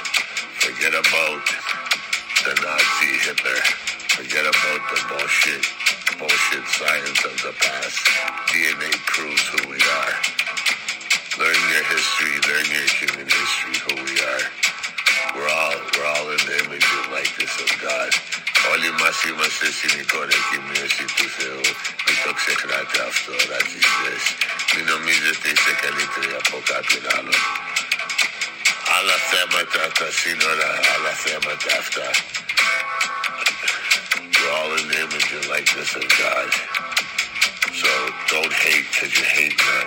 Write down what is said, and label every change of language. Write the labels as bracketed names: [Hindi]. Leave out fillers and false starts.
[English] Forget about the Nazi Hitler. Forget about the bullshit science of the past. DNA proves who we are. Learn your history. Learn your human history, who we are. We're all in the image and likeness of God. [Greek] Όλοι μας είμαστε στην εικόνα και μοίωση του Θεού. Μην το ξεχνάτε αυτό, ρατσιστές. Μην νομίζετε είστε καλύτεροι από κάποιον άλλον. Άλλα θέματα, τα σύνορα, άλλα θέματα αυτά. [English] We're all in the image and likeness of God. So don't hate because you hate.